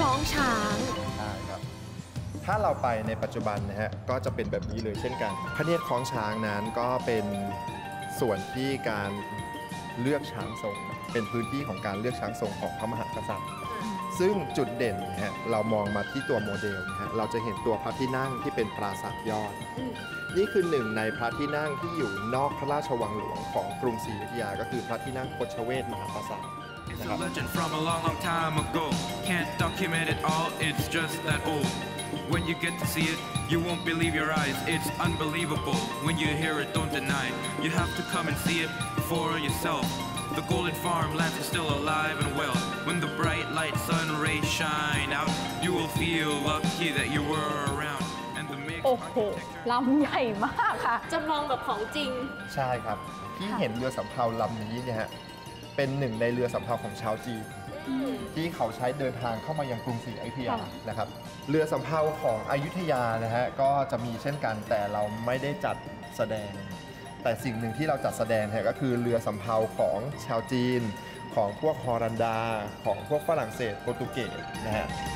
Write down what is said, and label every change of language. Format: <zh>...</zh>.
<th>ใช่ครับถ้าเราไปในปัจจุบันนะฮะก็จะเป็นแบบนี้เลยเช่นกันพระเนตรคล้องช้างนั้นก็เป็นส่วนที่การเลือกช้างทรงเป็นพื้นที่ของการเลือกช้างทรงของพระมหากษัตริย์ซึ่งจุดเด่นฮะเรามองมาที่ตัวโมเดลฮะเราจะเห็นตัวพระที่นั่งที่เป็นปราสาทยอดนี่คือหนึ่งในพระที่นั่งที่อยู่นอกพระราชวังหลวงของกรุงศรีอยุธยาก็คือพระที่นั่งโคชเวศมหาปราสาท</th> <en>It's a legend from a long, long time ago. Can't document it all, it's just that old. When you get to see it, you won't believe your eyes. It's unbelievable. When you hear it, don't deny it. You have to come and see it for yourself. The golden farmland is still alive and well. When the bright light sun rays shine out, you will feel lucky that you were around. And the mix...</en> <th>โอ้โหลำใหญ่มากค่ะ จำลองแบบของจริง ใช่ครับที่เห็นเรือสำเภาลำนี้เนี่ยเป็นหนึ่งในเรือสำเภาของชาวจีนที่เขาใช้เดินทางเข้ามายังกรุงศรีอยุธยานะครับเรือสำเภาของอยุธยานะฮะก็จะมีเช่นกันแต่เราไม่ได้จัดแสดงแต่สิ่งหนึ่งที่เราจัดแสดงเนี่ยก็คือเรือสำเภาของชาวจีนของพวกฮอลันดาของพวกฝรั่งเศสโปรตุเกสนะฮะ</th>